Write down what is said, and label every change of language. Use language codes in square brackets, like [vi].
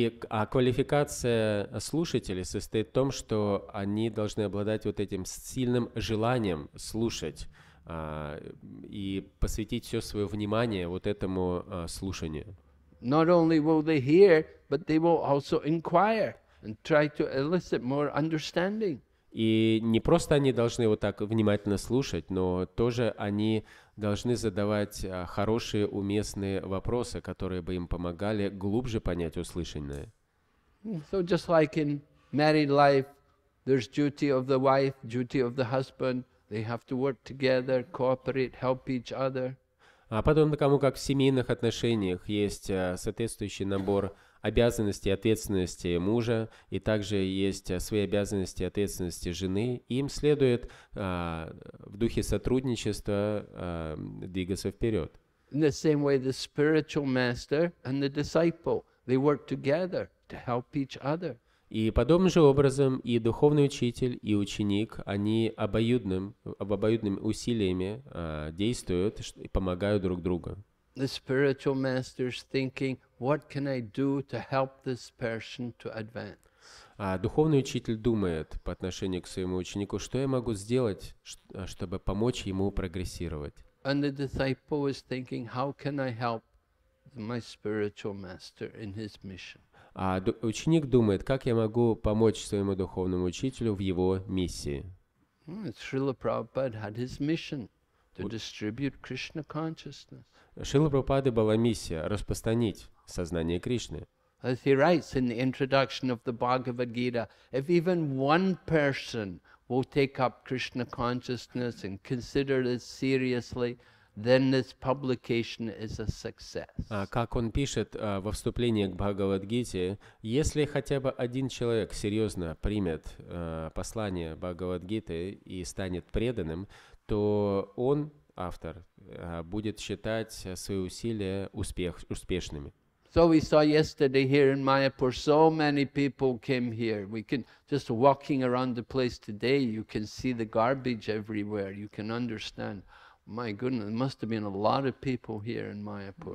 [ru] А квалификация слушателей состоит в том, что они должны обладать вот этим сильным желанием слушать и посвятить все свое внимание вот этому слушанию. [en] Not only will they hear, but they will also inquire and try to elicit more understanding. [ru] И не просто они должны вот так внимательно слушать, но тоже они должны задавать хорошие, уместные вопросы, которые бы им помогали глубже понять услышанное. [en] So just like in married life, there's duty of the wife, duty of the husband. They have to work together, cooperate, help each other. [ru] А потом, кому как в семейных отношениях есть соответствующий набор обязанности и ответственности мужа, и также есть свои обязанности и ответственности жены. Им следует в духе сотрудничества двигаться вперед. [en] In the same way, the spiritual master and the disciple, they work together to help each other. [ru] И подобным же образом и духовный учитель, и ученик, они обоюдными усилиями действуют и помогают друг другу. [en] The spiritual master is thinking, what can I do to help this person to advance? [ru] А духовный учитель думает по отношению к своему ученику, что я могу сделать, чтобы помочь ему прогрессировать. [en] And the disciple is thinking, how can I help my spiritual master in his mission? [ru] А ученик думает, как я могу помочь своему духовному учителю в его миссии. [en] Шрила Прабхупада had his mission to distribute Krishna consciousness. [ru] Шрила Прабхупада была миссия распространить сознание Кришны. [en] As he writes in the introduction of the Bhagavad Gita, if even one person will take up Krishna consciousness and consider this seriously, then this publication is a success. [ru] Как он пишет во вступлении к Бхагавад-гите, если хотя бы один человек серьезно примет послание Бхагавад-гиты и станет преданным, то он, автор, будет считать свои усилия успешными. [en] So we saw yesterday here in Mayapur, so many people came here. We can just walking around the place today, you can see the garbage everywhere. You can understand. My goodness, there must have been a lot of people here in Mayapur.